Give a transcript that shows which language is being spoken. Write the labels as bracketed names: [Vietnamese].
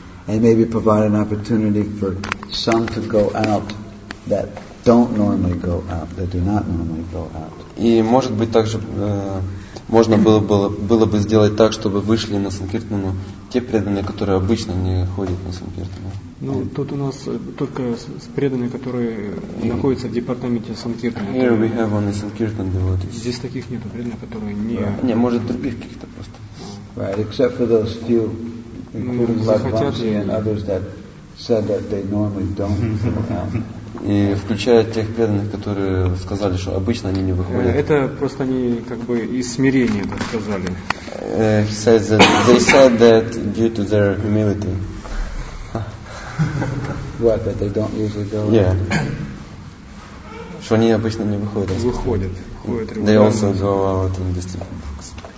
[English] And maybe provide an opportunity for some to go out that don't normally go out, that do not normally go out. [Russian] И может быть также можно было бы сделать так, чтобы вышли на Санкиртану те преданные, которые обычно не ходят на Санкиртану. Ну, тут у нас только преданные, которые находятся в департаменте Санкиртаны. [English] Here we have only Санкиртан devotees. [Russian] Здесь таких нету преданных, которые не. Не, может других каких-то просто. [English] Right, except for those few. Including Lakshmi and others that said that they normally don't go out. [Russian] И включая тех преданных, которые сказали, что обычно они не выходят. Это просто они как бы из смирения так сказали. [English] They said that due to their humility. What, that they don't usually go out? [Russian] Yeah. Что они обычно не выходят. Выходят. [English] They also go out in distribute books.